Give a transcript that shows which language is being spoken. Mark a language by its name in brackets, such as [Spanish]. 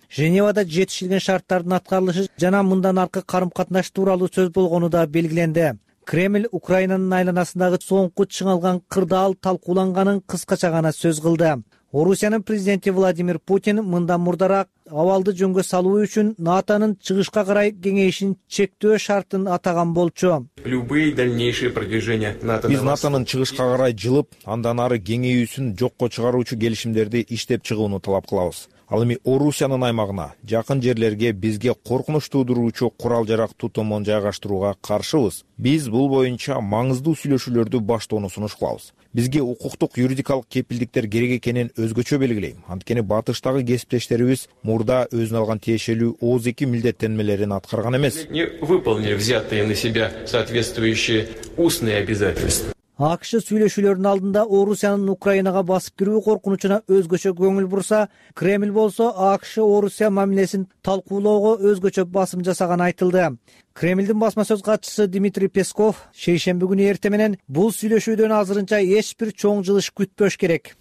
[Kyrgyz] Женевада жетишилген шарттардын аткарылышы жана мындан аркы карым катнаш тууралуу сөз болгону да белгиленди. Кремль Украинанын айланасындагы соңку чыңалган кырдаал талкууланганын кыскача гана сөз кылды. Орусиянын президенти Владимир Путин мындан мурдараак абалды жөнгө салуу үчүн НАТОнун чыгышка карай кеңейишин чектөө шартын атаган болчу. [Russian] Любые дальнейшие продвижения НАТО. [Kyrgyz] Биз НАТОнун чыгышка карай жылып, андан ары кеңейүүсүн жокко чыгаруучу келишимдерди иштеп чыгууну талап кылабыз. Ал эми Орусиянын аймагына, жакын жерлерге бизге коркунуч туудуруучу курал-жарак тутумун жайгаштырууга каршыбыз. Биз бул боюнча маңыздуу сүйлөшүүлөрдү баштоону сунуш кылабыз. Бизге укуктук юридикалык кепилдиктер керек экенин өзгөчө белгилейм. Анткени батыштагы кесиптештерибиз мурда өзүн алган тиешелүү 32 милдеттенмелерин аткарган эмес. [Russian] Не выполнили взятые на себя соответствующие устные обязательства. [Kyrgyz] АКШ сүйлөшүүлөрүнүн алдында Орусиянын Украинага басып кирүү коркунучуна өзгөчө көңүл бурса, Кремль болсо АКШ Орусия мамилесин талкуулоого өзгөчө басым жасаганы айтылды. Кремлдин басма сөз катчысы Дмитрий Песков шейшемби күнү эрте менен бул сүйлөшүүдөн азырынча эч бир чоң жылыш күтпөш керек.